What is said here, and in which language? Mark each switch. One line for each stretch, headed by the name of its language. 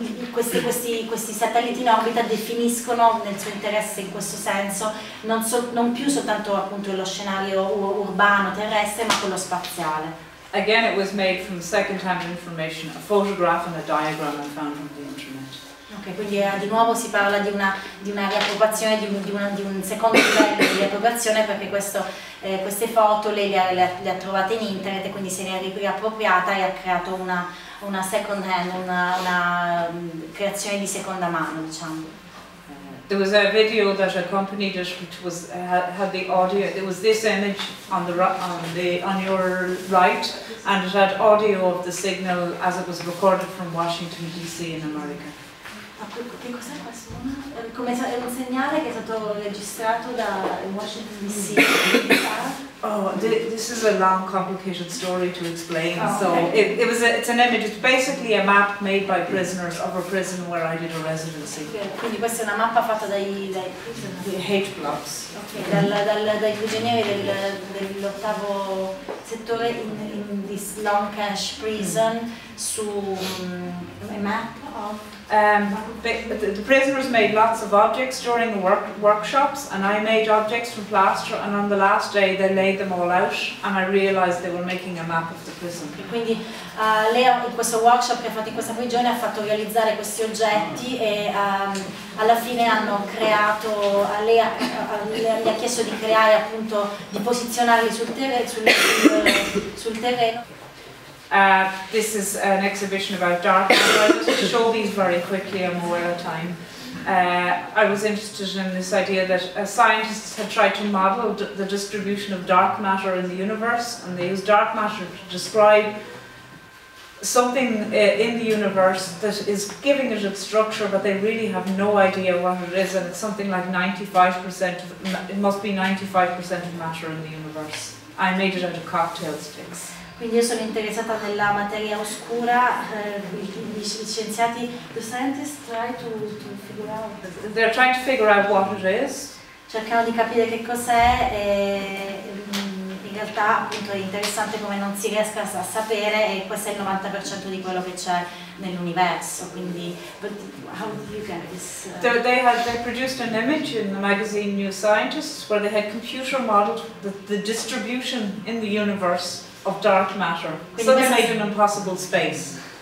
Italian: Questi satelliti in orbita definiscono nel suo interesse in questo senso non più soltanto appunto lo scenario urbano terrestre, ma quello spaziale.
English: Again, it was made from second-hand information, a photograph and a diagram I found on the internet.
Italian: Ok, quindi di nuovo si parla di una riappropriazione, di un secondo livello di riappropriazione, perché queste foto lei le ha trovate in internet, e quindi se ne è riappropriata e ha creato una second-hand, una creazione di seconda mano, diciamo.
English: There was a video that accompanied it, which was had the audio. There was this image on your right, and it had audio of the signal as it was recorded from Washington D.C. in America.
Italian: Che cos'è questo? Come è un segnale che è stato registrato da Washington D.C.
English: Oh, this is a long, complicated story to explain. Oh, so okay. It's an image. It's basically a map made by prisoners of a prison where I did a residency. Okay.
Italian: Quindi questa è una mappa fatta dai
English: prisoners. The H blocks. Okay.
Italian: Dai prigionieri dell'ottavo settore
English: in this long cash prison su a map of. The prisoners made lots of objects during the workshops, and I made objects from plaster, and on the last day they laid them all out, and I realized they were making a map of the prison.
Italian: E quindi lei in questo workshop che ha fatto in questa prigione ha fatto realizzare questi oggetti e alla fine hanno creato, lei ha chiesto di creare appunto, di posizionarli sul terreno.
English: This is an exhibition about dark matter. I'll just show these very quickly, I'm aware of time. I was interested in this idea that scientists had tried to model the distribution of dark matter in the universe, and they used dark matter to describe something in the universe that is giving it its structure, but they really have no idea what it is, and it's something like 95% of it, it must be 95% of matter in the universe. I made it out of cocktail sticks.
Italian: Quindi io sono interessata nella materia oscura, gli scienziati,
English: the scientists try to figure out. They're trying to figure out what it is.
Italian: Cercano di capire che cos'è e in realtà appunto è interessante come non si riesca a sapere, e questo è il 90% di quello che c'è nell'universo, quindi,
English: but how did you get this? They produced an image in the magazine New Scientist where they had computer modeled the distribution in the universe of dark matter. So they made an impossible space.